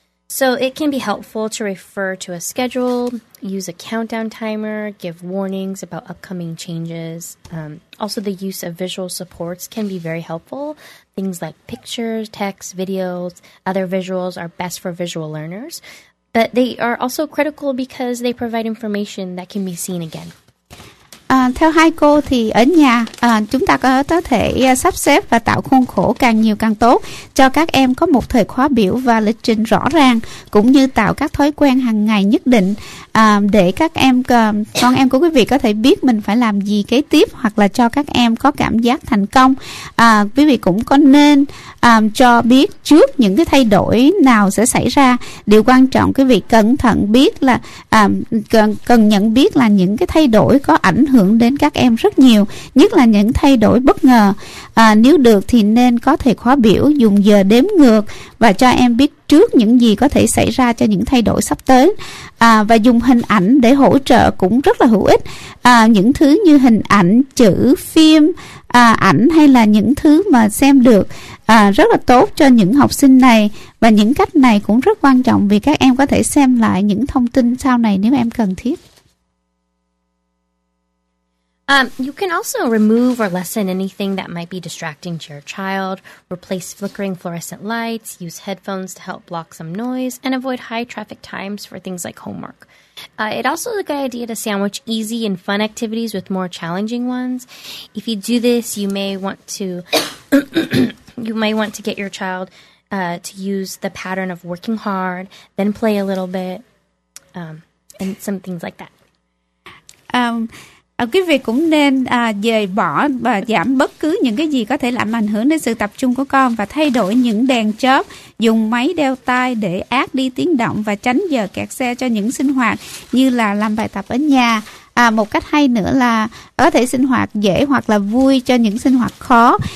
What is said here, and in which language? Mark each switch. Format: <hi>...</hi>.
<en>So it can be helpful to refer to a schedule, use a countdown timer, give warnings about upcoming changes. Also, the use of visual supports can be very helpful. Things like pictures, text, videos, other visuals are best for visual learners. But they are also critical because they provide information that can be seen again.</en> <vi>Theo hai cô thì ở nhà chúng ta có thể sắp xếp và tạo khuôn khổ càng nhiều càng tốt cho các em có một thời khóa biểu và lịch trình rõ ràng, cũng như tạo các thói quen hàng ngày nhất định để các em, con em của quý vị có thể biết mình phải làm gì kế tiếp, hoặc là cho các em có cảm giác thành công. Quý vị cũng có nên cho biết trước những cái thay đổi nào sẽ xảy ra. Điều quan trọng quý vị cẩn thận biết là cần nhận biết là những cái thay đổi có ảnh hưởng đến các em rất nhiều, nhất là những thay đổi bất ngờ. Nếu được thì nên có thời khóa biểu dùng giờ đếm ngược và cho em biết trước những gì có thể xảy ra cho những thay đổi sắp tới. Và dùng hình ảnh để hỗ trợ cũng rất là hữu ích. Những thứ như hình ảnh, chữ, phim, ảnh hay là những thứ mà xem được rất là tốt cho những học sinh này. Và những cách này cũng rất quan trọng vì các em có thể xem lại những thông tin sau này nếu em cần thiết.</vi> <en>You can also remove or lessen anything that might be distracting to your child, replace flickering fluorescent lights, use headphones to help block some noise, and avoid high traffic times for things like homework. It also is a good idea to sandwich easy and fun activities with more challenging ones. If you do this, you may want to get your child to use the pattern of working hard, then play a little bit, and some things like that.</en> <vi>quý vị cũng nên dời bỏ và giảm bất cứ những cái gì có thể làm ảnh hưởng đến sự tập trung của con, và thay đổi những đèn chớp, dùng máy đeo tai để át đi tiếng động, và tránh giờ kẹt xe cho những sinh hoạt như là làm bài tập ở nhà. Một cách hay nữa là có thể sinh hoạt dễ hoặc là vui cho những sinh hoạt khó.</vi>